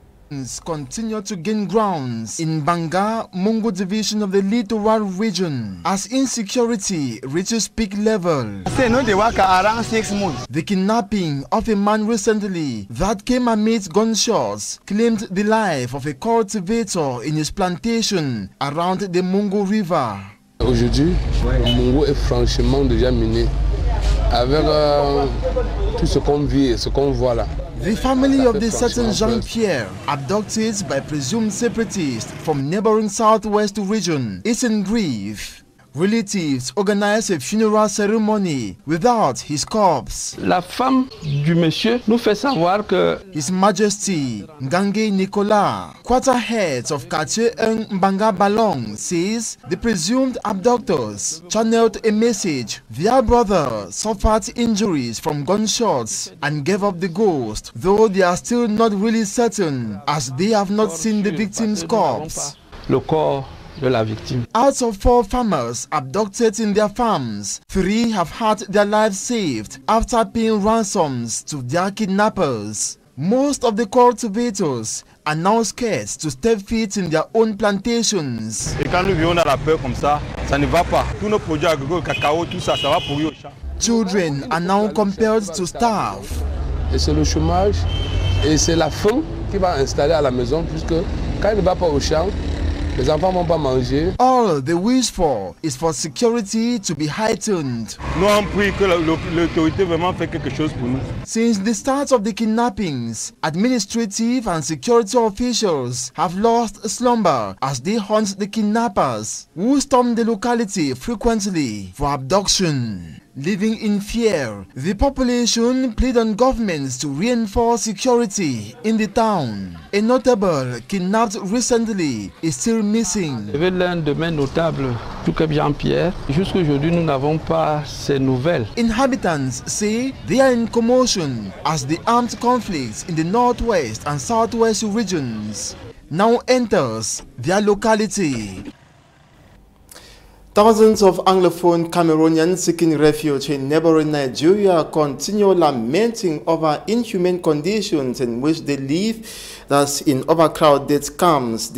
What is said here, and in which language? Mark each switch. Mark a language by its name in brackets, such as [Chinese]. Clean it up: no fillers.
[English] Africans continue to gain grounds in Banga, Mongo division of the littoral region as insecurity reaches peak level. Say no, they work around 6 months. The kidnapping of a man recently that came amid gunshots claimed the life of a cultivator in his plantation around the Mongo River. [French] Aujourd'hui, Mongo est franchement déjà miné avec tout ce qu'on vit et ce qu'on voit là. [English] The family of the certain Jean-Pierre, abducted by presumed separatists from neighboring southwest region, is in grief. Relatives organized a funeral ceremony without his corpse. [French] La femme du monsieur nous fait savoir que [English] His Majesty Ngange Nicolas, quarterhead of Quartier 1 Mbanga Balong, says the presumed abductors channeled a message. Their brother suffered injuries from gunshots and gave up the ghost, though they are still not really certain as they have not seen the victim's corpse. [French] Le corps de la victime. [English] Out of 4 farmers abducted in their farms, 3 have had their lives saved after paying ransoms to their kidnappers. Most of the cultivators are now scared to step feet in their own plantations. [French] Et quand nous vivons dans la peur comme ça, ça ne va pas. Tous nos produits agricoles, cacao, tout ça, ça va pourrir au champ. [English] Children are now compelled to starve. [French] Et c'est le chômage et c'est la faim qui va installer à la maison puisque quand il ne va pas au champ, les enfants vont pas manger. [English] All they wish for is for security to be heightened. [French] Nous on prie que l'autorité vraiment fait quelque chose pour nous. [English] Since the start of the kidnappings, administrative and security officials have lost slumber as they hunt the kidnappers, who storm the locality frequently for abduction. Living in fear, the population plead on governments to reinforce security in the town. A notable kidnapped recently is still missing. [French] Il y avait l'un de mes notables, Joukeb Jean-Pierre. Jusqu'à aujourd'hui, nous n'avons pas ces nouvelles. [English] Inhabitants say they are in commotion as the armed conflicts in the northwest and southwest regions now enters their locality. Thousands of Anglophone Cameroonians seeking refuge in neighboring Nigeria continue lamenting over inhumane conditions in which they live, thus in overcrowded camps.